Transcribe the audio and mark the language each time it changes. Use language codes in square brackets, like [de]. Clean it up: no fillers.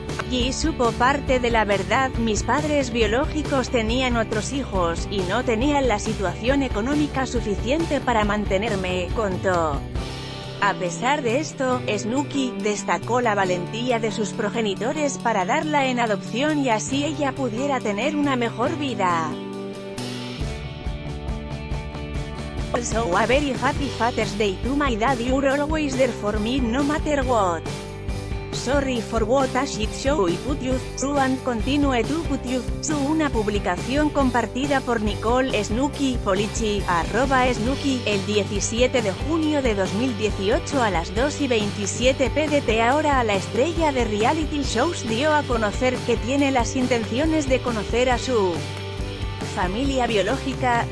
[es] Y supo parte de la verdad, mis padres biológicos tenían otros hijos, y no tenían la situación económica suficiente para mantenerme, contó. A pesar de esto, Snooki destacó la valentía de sus progenitores para darla en adopción y así ella pudiera tener una mejor vida. [en] Also a very happy Father's Day to my dad, you're always there for me no matter what. Sorry for what a shit show I put you through and continue to put you through. [es] Una publicación compartida por Nicole Snooki Polici, @Snooki, el 17 de junio de 2018 a las 2:27 p.m. Ahora la estrella de reality shows dio a conocer que tiene las intenciones de conocer a su familia biológica.